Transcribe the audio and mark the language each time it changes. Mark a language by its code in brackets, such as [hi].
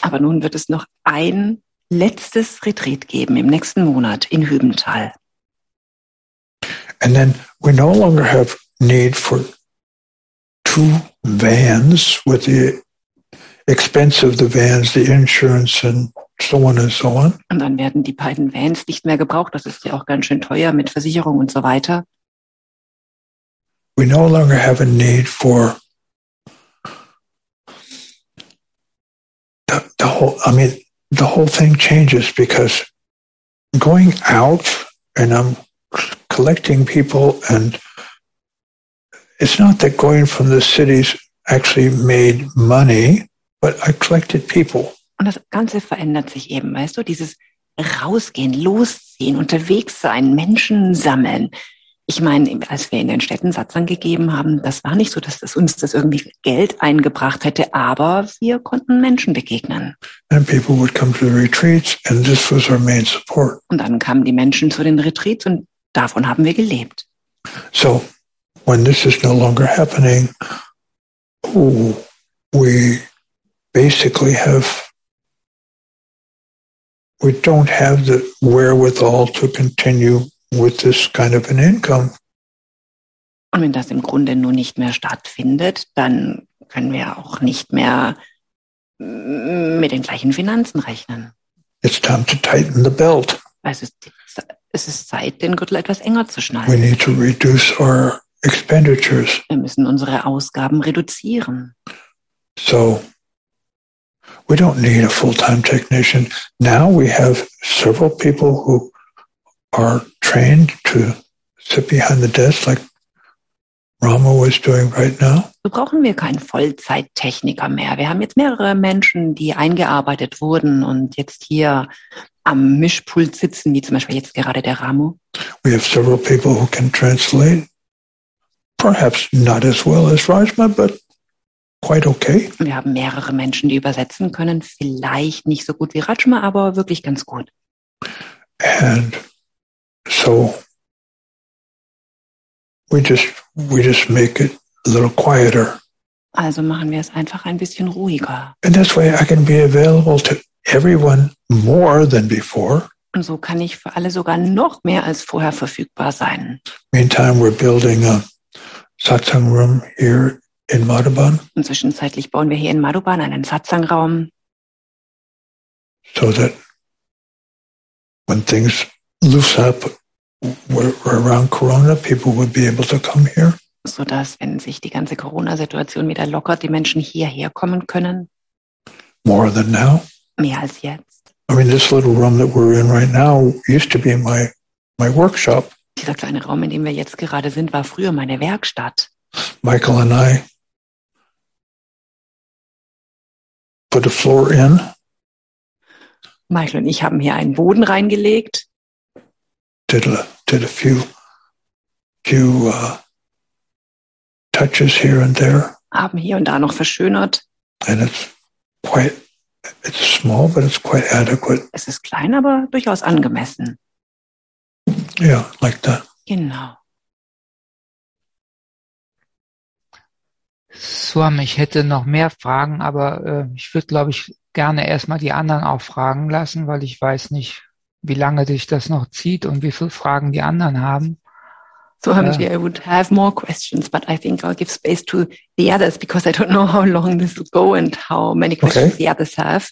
[de] Aber nun wird es noch ein letztes Retreat geben im nächsten Monat in Hubenthal. [en] And then we no longer have need for 2 vans with the expense of the vans, the insurance and so on and so on. [de] Und dann werden die beiden Vans nicht mehr gebraucht. Das ist ja auch ganz schön teuer mit Versicherung und so weiter. [en] We no longer have a need for the whole thing changes because going out and I'm collecting people and it's not that going from the cities actually made money, but I collected people. [de] Und das Ganze verändert sich eben, weißt du, dieses Rausgehen, Losziehen, unterwegs sein, Menschen sammeln. Ich meine, als wir in den Städten Satsang gegeben haben, das war nicht so, dass das uns das irgendwie Geld eingebracht hätte, aber wir konnten Menschen begegnen. [en] And people would come to the retreats and this was our main support. [de] Und dann kamen die Menschen zu den Retreats und davon haben wir gelebt. [en] So, when this is no longer happening, we basically have, we don't have the wherewithal to continue with this kind of an income. [de] Und wenn das im Grunde nun nicht mehr stattfindet, dann können wir auch nicht mehr mit den gleichen Finanzen rechnen. [en] It's time to tighten the belt. [de] Also es ist Zeit, den Gürtel etwas enger zu schnallen. [en] We need to reduce our expenditures. [de] Wir müssen unsere Ausgaben reduzieren. [en] So, we don't need a full-time technician. Now we have several people who are trained to sit behind the desk like Rama was doing right now. [de] So brauchen wir keinen Vollzeittechniker mehr. Wir haben jetzt mehrere Menschen, die eingearbeitet wurden und jetzt hier am Mischpult sitzen, wie zum Beispiel jetzt gerade der Ramo. [en] We have several people who can translate. Perhaps not as well as Rajma, but quite okay. [de] Wir haben mehrere Menschen, die übersetzen können. Vielleicht nicht so gut wie Rajma, aber wirklich ganz gut. [en] And so we just make it a little quieter. [de] Also machen wir es einfach ein bisschen ruhiger. [en] And this way I can be available to everyone more than before. [de] Und so kann ich für alle sogar noch mehr als vorher verfügbar sein. [en] Meantime we're building a Satsang room here in Madhuban. [de] Und zwischenzeitlich bauen wir hier in Madhuban einen Satsang Raum. [en] So that when things loosen up around Corona, people would be able to come here. [de] So dass, wenn sich die ganze Corona-Situation wieder lockert, die Menschen hierher kommen können. [en] More than now. [de] Mehr als jetzt. [en] I mean, this little room that we're in right now used to be my workshop. [de] Dieser kleine Raum, in dem wir jetzt gerade sind, war früher meine Werkstatt. [en] Michael and I put the floor in. [de] Michael und ich haben hier einen Boden reingelegt. [en] Did a few touches here and there. [de] Haben hier und da noch verschönert. [en] And it's small, but it's quite adequate. [de] Es ist klein, aber durchaus angemessen. [en] Yeah, like that. [de] Genau. Swami, ich hätte noch mehr Fragen, aber ich würde, glaube ich, gerne erstmal die anderen auch fragen lassen, weil ich weiß nicht, wie lange sich das noch zieht und wie viele Fragen die anderen haben. [en] Swami, I would have more questions, but I think I'll give space to the others because I don't know how long this will go and how many questions the others have.